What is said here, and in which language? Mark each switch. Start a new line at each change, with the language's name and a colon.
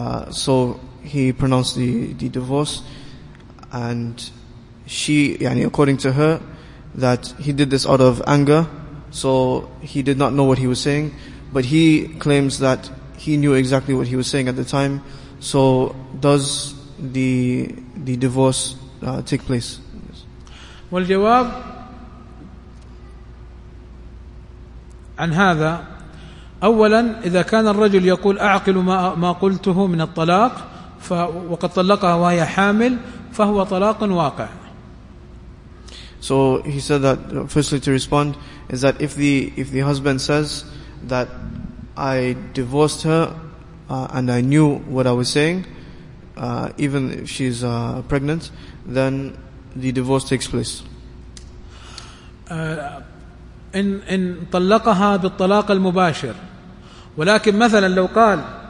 English: so he pronounced the divorce, and she, yani, according to her, that he did this out of anger, so he did not know what he was saying. But he claims that he knew exactly what he was saying at the time. So does the divorce take place? Yes.
Arabic: والجواب عن هذا، أولا إذا كان الرجل يقول أعقل ما قلته من الطلاق وقد طلقها وهي حامل فهو طلاق واقع.
English: So he said that firstly to respond is that if the husband says that I divorced her and I knew what I was saying, even if she's pregnant, then the divorce takes place.
Arabic: إن طلقها بالطلاق المباشر، ولكن مثلا لو قال